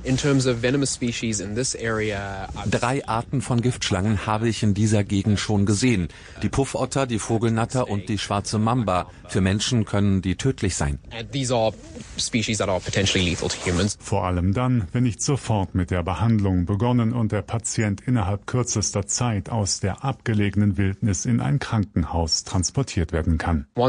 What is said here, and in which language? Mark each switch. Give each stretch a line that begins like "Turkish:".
English: In terms of venomous species in this area,
German: drei Arten von Giftschlangen habe ich in dieser Gegend schon gesehen. Die Puffotter, die Vogelnatter und die schwarze Mamba. Für Menschen können die tödlich sein.
English: These are species that are potentially lethal to humans.
German: Vor allem dann, wenn nicht sofort mit der Behandlung begonnen und der Patient innerhalb kürzester Zeit aus der abgelegenen Wildnis in ein Krankenhaus transportiert werden kann.